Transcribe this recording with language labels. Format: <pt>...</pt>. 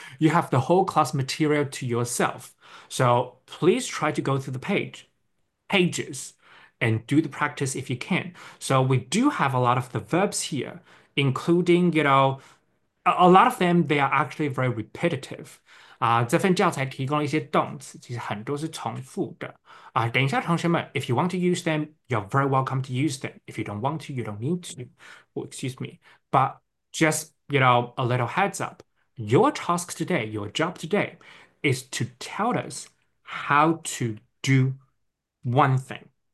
<en>You have the whole class material to yourself. So please try to go through the pages and do the practice if you can. So we do have a lot of the verbs here, including, a lot of them, they are actually very repetitive.</en> <zh>这份教材提供了一些动词，其实很多是重复的。等一下，同学们，</zh> <en>if you want to use them, you're very welcome to use them. If you don't want to, you don't need to. Well, excuse me. But just, a little heads up. Your job today is to tell us how to do one thing.</en>